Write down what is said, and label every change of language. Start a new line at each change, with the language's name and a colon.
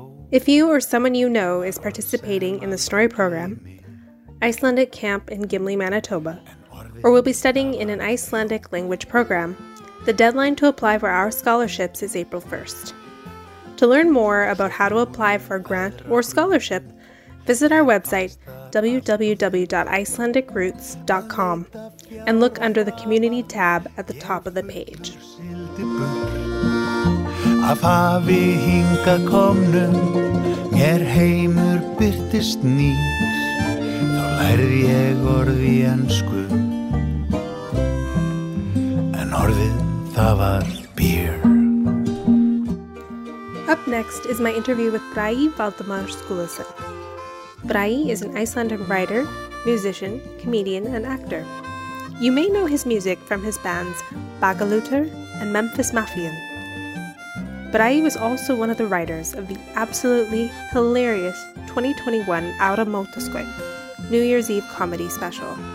English: If you or someone you know is participating in the Snorri program, Icelandic camp in Gimli, Manitoba, or will be studying in an Icelandic language program, the deadline to apply for our scholarships is April 1st. To learn more about how to apply for a grant or scholarship, visit our website www.icelandicroots.com and look under the Community tab at the top of the page.
Icelandic: Af hafi hinga komnum, mér heimur birtist nýr, þá lærði ég orði ensku, en orðið það var beer.
English: Up next is my interview with Bragi Valdimar Skúlason. Bragi is an Icelandic writer, musician, comedian, and actor. You may know his music from his bands Bagalútr and Memphis Mafian. Bragi was also one of the writers of the absolutely hilarious 2021 Áramótaskoy New Year's Eve comedy special.